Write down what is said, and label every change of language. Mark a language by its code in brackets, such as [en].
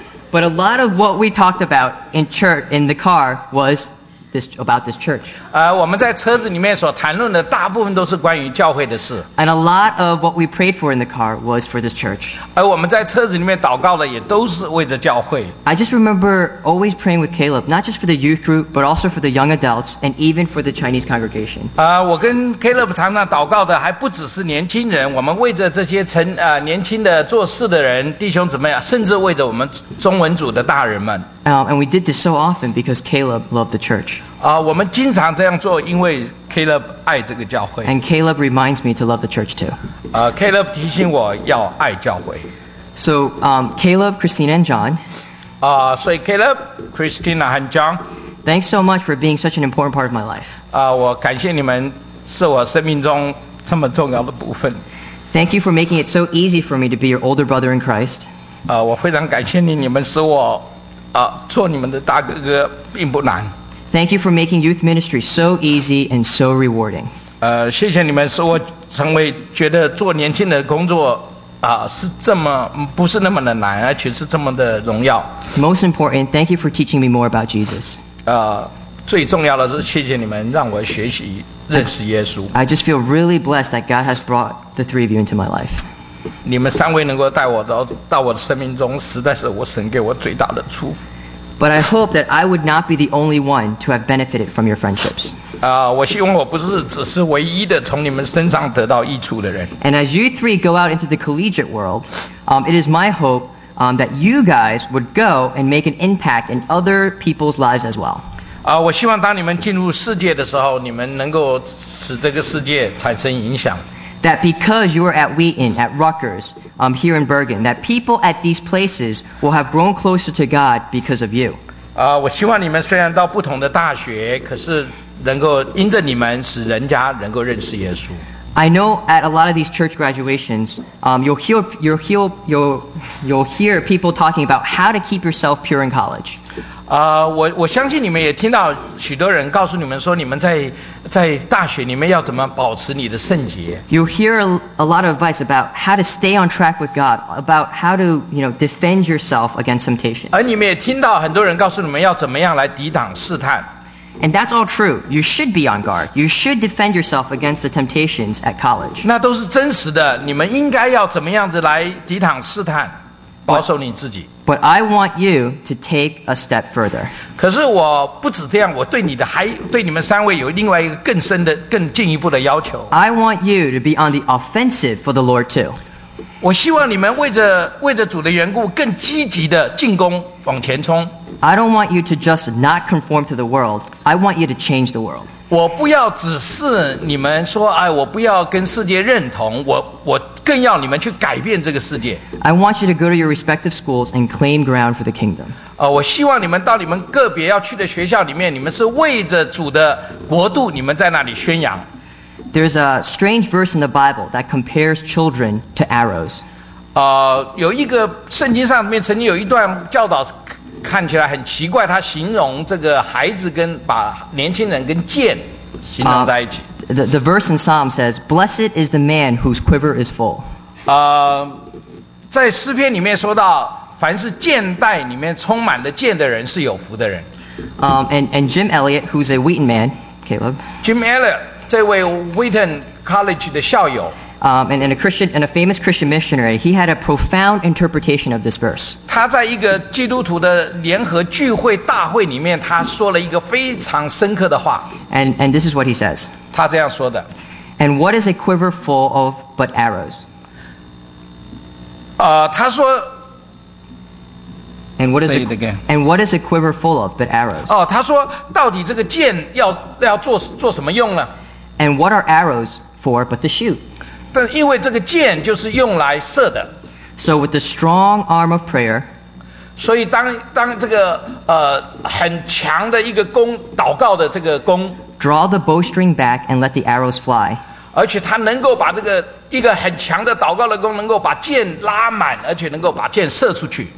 [en] but a lot of what we talked about in church in the car was about this church. [zh] 我们在车子里面所谈论的大部分都是关于教会的事。 [en] And a lot of what we prayed for in the car was for this church. [zh] 而我们在车子里面祷告的也都是为着教会。 [en] I just remember always praying with Caleb, not just for the youth group, but also for the young adults and even for the Chinese congregation. [zh] 我跟 Caleb 常常祷告的还不只是年轻人，我们为着这些年轻的做事的人，弟兄姊妹，甚至为着我们中文组的大人们。 [en] And we did this so often because Caleb loved the church. [zh] 我们经常这样做，因为 Caleb 爱这个教会。 [en] And Caleb reminds me to love the church too. [zh] Caleb 提醒我要爱教会。 [en] So, Caleb, Christina, and John. [zh] 所以 Caleb, Christina 和 John, [en] thanks so much for being such an important part of my life. [zh] 我感谢你们是我生命中这么重要的部分。 [en] Thank you for making it so easy for me to be your older brother in Christ. [zh] 我非常感谢你，你们使我做你们的大哥哥并不难。 [en] Thank you for making youth ministry so easy and so rewarding. [zh] 谢谢你们使我成为觉得做年轻的工作是这么不是那么的难，而且是这么的荣耀。 [en] Most important, thank you for teaching me more about Jesus. [zh] 最重要的是谢谢你们让我学习认识耶稣。 [en] I just feel really blessed that God has brought the three of you into my life. [zh] 你们三位能够带我到我的生命中，实在是我神给我最大的祝福。 [en] But I hope that I would not be the only one to have benefited from your friendships. [zh] 我希望我不是只是唯一的从你们身上得到益处的人。 [en] And as you three go out into the collegiate world, it is my hope that you guys would go and make an impact in other people's lives as well. [zh] 我希望当你们进入世界的时候，你们能够使这个世界产生影响。 [en] That because you are at Wheaton, at Rutgers, here in Bergen, that people at these places will have grown closer to God because of you. [zh] 我希望你们虽然到不同的大学，可是能够因着你们使人家能够认识耶稣。 [en] I know at a lot of these church graduations, you'll hear people talking about how to keep yourself pure in college. [zh] 我相信你们也听到许多人告诉你们说你们在大学里面要怎么保持你的圣洁。 [en] You'll hear a lot of advice about how to stay on track with God, about how to, you know, defend yourself against temptation. [zh] 而你们也听到很多人告诉你们要怎么样来抵挡试探。 [en] And that's all true. You should be on guard. You should defend yourself against the temptations at college. [zh] 那都是真实的，你们应该要怎么样子来抵挡试探，保守你自己。 [en] But I want you to take a step further. [zh] 可是我不止这样，我对你的还对你们三位有另外一个更深的、更进一步的要求。 [en] I want you to be on the offensive for the Lord too. [zh] 我希望你们为着主的缘故，更积极的进攻，往前冲。 [en] I don't want you to just not conform to the world. I want you to change the world. [zh] 我不要只是你们说，哎，我不要跟世界认同，我更要你们去改变这个世界。 [en] I want you to go to your respective schools and claim ground for the kingdom. [zh] 我希望你们到你们个别要去的学校里面，你们是为着主的国度，你们在那里宣扬。 [en] There's a strange verse in the Bible that compares children to arrows. [zh] 有一个圣经上面曾经有一段教导。看起来很奇怪，他形容这个孩子跟把年轻人跟箭形容在一起。 [en] The verse in Psalm says, "Blessed is the man whose quiver is full." [zh] 在诗篇里面说到，凡是箭袋里面充满了箭的人是有福的人。 [en] And Jim Elliot, who's a Wheaton man, Caleb. [zh] Jim Elliot, 这位 Wheaton College 的校友。 [en] And a famous Christian missionary, he had a profound interpretation of this verse. [zh] 他在一个基督徒的联合聚会大会里面，他说了一个非常深刻的话。 [en] And this is what he says. [zh] 他这样说的。 [en] And what is a quiver full of but arrows? [zh] 他说。 [en] And what is say it again? And what is a quiver full of but arrows? [zh] 他说到底这个箭要做什么用呢？ [en] And what are arrows for but to shoot? [zh] 但因为这个箭就是用来射的。 [en] So with the strong arm of prayer, [zh] 所以当这个很强的一个弓祷告的这个弓 [en] ，draw the bowstring back and let the arrows fly。 [zh] 而且他能够把这个一个很强的祷告的弓能够把箭拉满，而且能够把箭射出去。